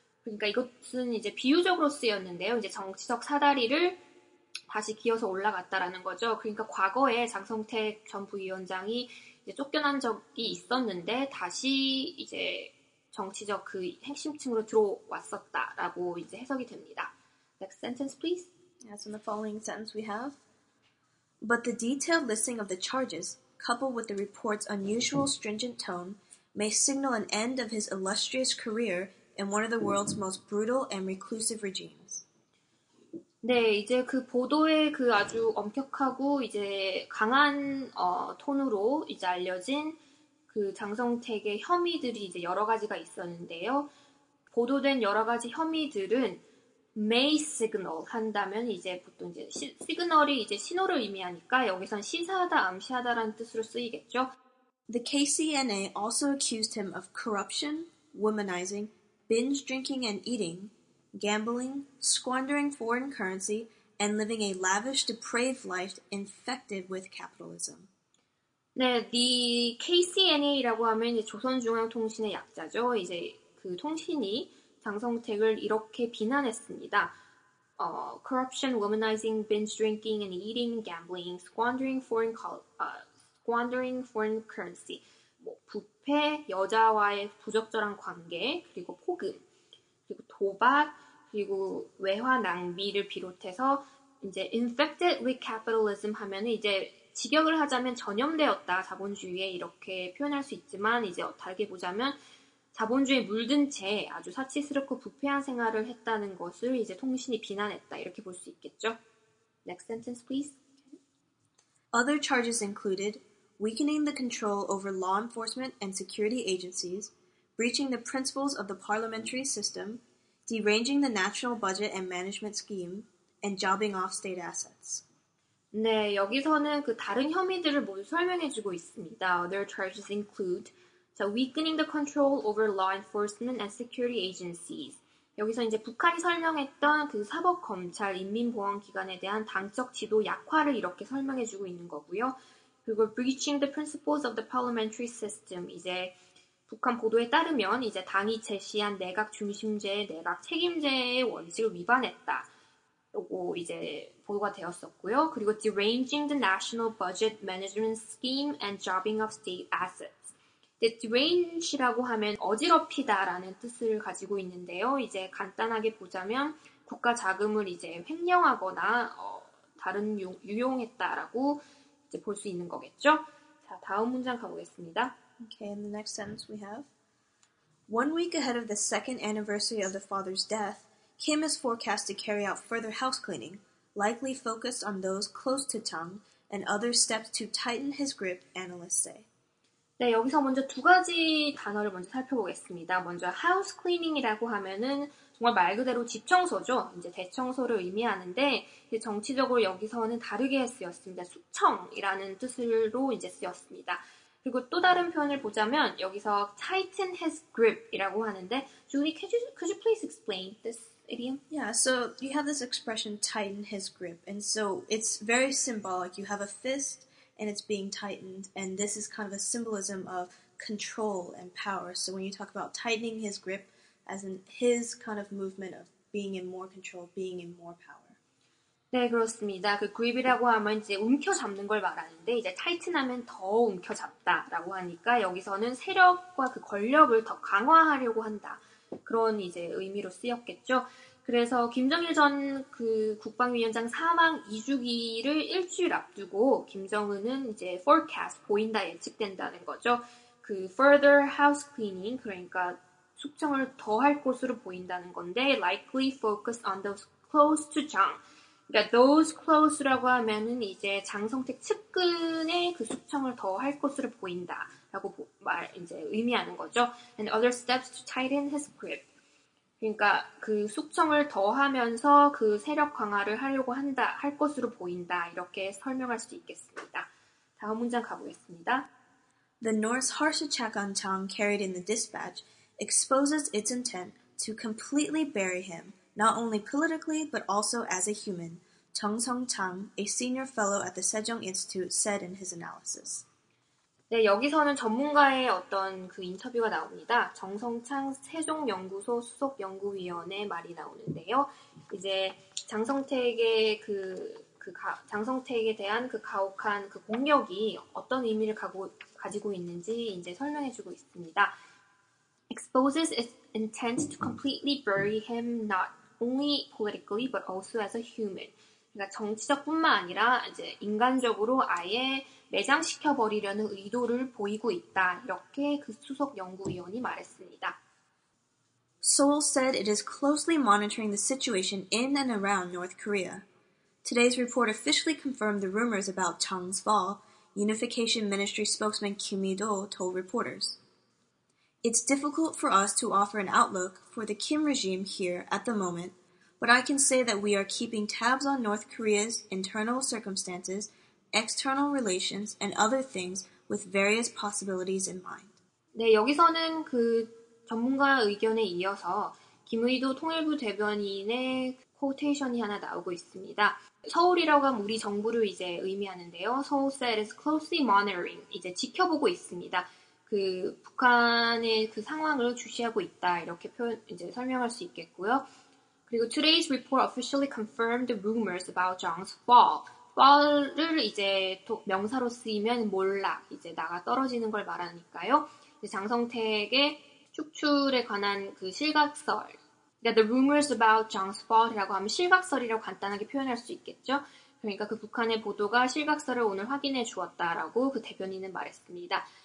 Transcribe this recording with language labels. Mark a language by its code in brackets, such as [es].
[ko] 그러니까 이것은 이제 비유적으로 쓰였는데요. 이제 정치적 사다리를 다시 기어서 올라갔다라는 거죠. 그러니까 과거에 장성택 전 부위원장이 이제 쫓겨난 적이 있었는데 다시 이제 정치적 그 핵심층으로 들어왔었다라고 이제 해석이 됩니다. [en] Next sentence, please. Yes, in the following sentence we have. But the detailed listing of the charges, coupled with the report's unusual stringent tone, may signal an end of his illustrious career in one of the world's most brutal and reclusive regimes. [ko] 네, 이제 그 보도의 그 아주 엄격하고 이제 강한 톤으로 이제 알려진 그 장성택의 혐의들이 이제 여러 가지가 있었는데요. 보도된 여러 가지 혐의들은 [en] may signal [ko] 한다면 이제 보통 이제 시그널이 이제 신호를 의미하니까 여기선 시사하다, 암시하다라는 뜻으로 쓰이겠죠. [en] The KCNA also accused him of corruption, womanizing, binge drinking and eating. Gambling, squandering foreign currency, and living a lavish, depraved life infected with capitalism. [ko] 네, the KCNA라고 하면 이제 조선중앙통신의 약자죠. 이제 그 통신이 장성택을 이렇게 비난했습니다. [en] Corruption, womanizing, binge drinking and eating, gambling, squandering foreign currency. [ko] 뭐 부패, 여자와의 부적절한 관계, 그리고 포근, 그리고 도박. 그리고 외화 낭비를 비롯해서 이제 [en] infected with capitalism [ko] 하면은 이제 직역을 하자면 전염되었다 자본주의에 이렇게 표현할 수 있지만 이제 다르게 보자면 자본주의에 물든 채 아주 사치스럽고 부패한 생활을 했다는 것을 이제 통신이 비난했다 이렇게 볼 수 있겠죠. [en] Next sentence please. Other charges included weakening the control over law enforcement and security agencies, breaching the principles of the parliamentary system. Deranging the national budget and management scheme, and jobbing off state assets. [ko] 네, 여기서는 그 다른 혐의들을 모두 설명해주고 있습니다. [en] Other charges include so weakening the control over law enforcement and security agencies. [ko] 여기서 이제 북한이 설명했던 그 사법 검찰 인민보안기관에 대한 당적 지도 약화를 이렇게 설명해주고 있는 거고요. [en] 그리고 breaching the principles of the parliamentary system. [ko] 이제 북한 보도에 따르면 이제 당이 제시한 내각 중심제, 내각 책임제의 원칙을 위반했다. 요거 이제 보도가 되었었고요. [en] 그리고 deranging the national budget management scheme and jobbing of state assets. [ko] Derange라고 하면 어지럽히다라는 뜻을 가지고 있는데요. 이제 간단하게 보자면 국가 자금을 이제 횡령하거나 다른 유용했다라고 이제 볼 수 있는 거겠죠. 자, 다음 문장 가보겠습니다. [en] Okay, in the next sentence we have, one week ahead of the second anniversary of the father's death, Kim is forecast to carry out further house cleaning, likely focused on those close to Tung and other steps to tighten his grip, analysts say. [ko] 네, 여기서 먼저 두 가지 단어를 먼저 살펴보겠습니다. 먼저 house cleaning이라고 하면은 정말 말 그대로 집 청소죠. 이제 대청소를 의미하는데 이제 정치적으로 여기서는 다르게 쓰였습니다. 숙청이라는 뜻으로 이제 쓰였습니다. 그리고 또 다른 표현을 보자면 여기서 [en] tighten his grip [ko] 이라고 하는데 [en] Julie, could you please explain this idiom? Yeah, so you have this expression tighten his grip, and so it's very symbolic. You have a fist and it's being tightened, and this is kind of a symbolism of control and power. So when you talk about tightening his grip, as in his kind of movement of being in more control, being in more power. [ko] 네, 그렇습니다. 그 grip이라고 하면 이제 움켜잡는 걸 말하는데 이제 tighten하면 더 움켜잡다라고 하니까 여기서는 세력과 그 권력을 더 강화하려고 한다. 그런 이제 의미로 쓰였겠죠. 그래서 김정일 전 그 국방위원장 사망 2주기를 일주일 앞두고 김정은은 이제 forecast, 보인다, 예측된다는 거죠. 그 [en] further house cleaning, [ko] 그러니까 숙청을 더할 것으로 보인다는 건데 [en] likely focus on those close to Jung. [ko] 그러니까 [en] those close [ko] 라고 하면은 이제 장성택 측근의 그 숙청을 더 할 것으로 보인다라고 말 이제 의미하는 거죠. [en] And other steps to tighten his grip. [ko] 그러니까 그 숙청을 더 하면서 그 세력 강화를 하려고 한다 할 것으로 보인다 이렇게 설명할 수 있겠습니다. 다음 문장 가보겠습니다. [en] The North's harsh attack on Jung carried in the dispatch exposes its intent to completely bury him. Not only politically, but also as a human. Jung Seong-chang, a senior fellow at the Sejong Institute, said in his analysis. [ko] 네, 여기서는 전문가의 어떤 그 인터뷰가 나옵니다. 정성창 세종연구소 수석연구위원의 말이 나오는데요. 이제 장성택의 장성택에 대한 그 가혹한 그 공격이 어떤 의미를 가지고 있는지 이제 설명해주고 있습니다. [en] Exposes its intent to completely bury him not only politically but also as a human. [ko] 그러니까 정치적뿐만 아니라 이제 인간적으로 아예 매장시켜 버리려는 의도를 보이고 있다. 이렇게 그 수석 연구위원이 말했습니다. [en] Seoul said it is closely monitoring the situation in and around North Korea. Today's report officially confirmed the rumors about Jung's fall. Unification Ministry spokesman Kim Mi-do told reporters. It's difficult for us to offer an outlook for the Kim regime here at the moment, but I can say that we are keeping tabs on North Korea's internal circumstances, external relations, and other things with various possibilities in mind. [ko] 네, 여기서는 그 전문가 의견에 이어서 김의도 통일부 대변인의 코테이션이 하나 나오고 있습니다. 서울이라고 하면 우리 정부를 이제 의미하는데요. [en] Seoul said is closely monitoring, [ko] 이제 지켜보고 있습니다. 그 북한의 그 상황을 주시하고 있다 이렇게 표현 이제 설명할 수 있겠고요. [en] 그리고 today's report officially confirmed the rumors about Jung's fall. [ko] Fall을 이제 명사로 쓰이면 몰락, 이제 나가 떨어지는 걸 말하니까요. 장성택의 축출에 관한 그 실각설, [en] that the rumors about Jung's fall [ko] 이라고 하면 실각설이라고 간단하게 표현할 수 있겠죠. 그러니까 그 북한의 보도가 실각설을 오늘 확인해 주었다라고 그 대변인은 말했습니다.